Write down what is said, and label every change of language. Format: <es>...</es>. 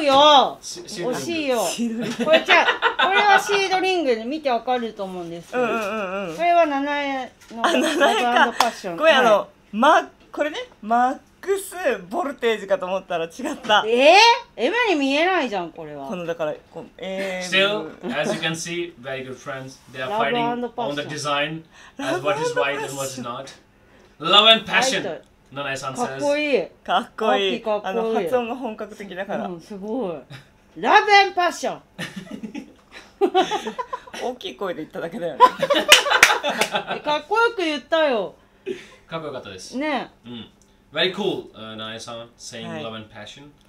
<ja>違うよ、惜しいよ。シードリング。これじゃ、これはシードリングで見てわかると思うんですけど、うんうんうん、これは7重のファッション。これ、はい、あの、ま、これね、マックスボルテージかと思ったら違った。エマに見えないじゃん、これは。このだから、こ、</ja> <en>Still, as you can see, very good friends. They are fighting on the design as what is right and what is not. Love and passion.</en> <ja>かっこいい、かっこいい、かっこいい。あの発音が本格的だから、うん、すごい。</ja> <en>ラブ&パッション。</en> <ja>大きい声で言っただけだよね。かっこよく言ったよ。かっこよかったですね。</ja> <en>うん、Very cool、ナナイさん saying、はい、love and passion、</en>